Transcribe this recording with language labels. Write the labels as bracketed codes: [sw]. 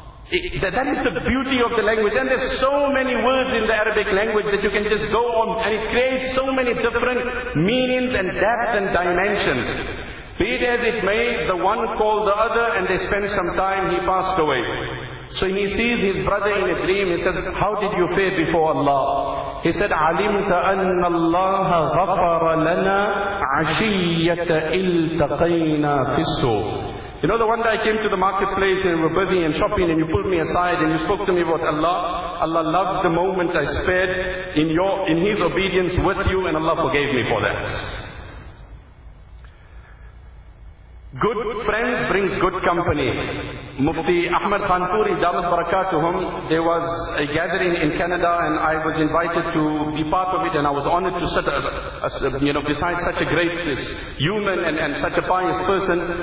[en] That is the beauty of the language. And there's so many words in the Arabic language that you can just go on, and it creates so many different meanings and depth and dimensions. Be it as it may, the one called the other, and they spent some time, he passed away. So he sees his brother in a dream. He says, how did you fare before Allah? He said, [ar] عَلِمْتَ أَنَّ اللَّهَ غَفَرَ لَنَا عَشِيَّةَ إِلْتَقَيْنَا فِسُّ. [en] You know the one day I came to the marketplace and we were busy and shopping and you pulled me aside and you spoke to me about Allah. Allah loved the moment I spared in His obedience with you and Allah forgave me for that. Good friends brings good company. Mufti Ahmed Khan Puri, Damat Barakatuhum, there was a gathering in Canada and I was invited to be part of it and I was honored to sit beside such a great human and such a pious person.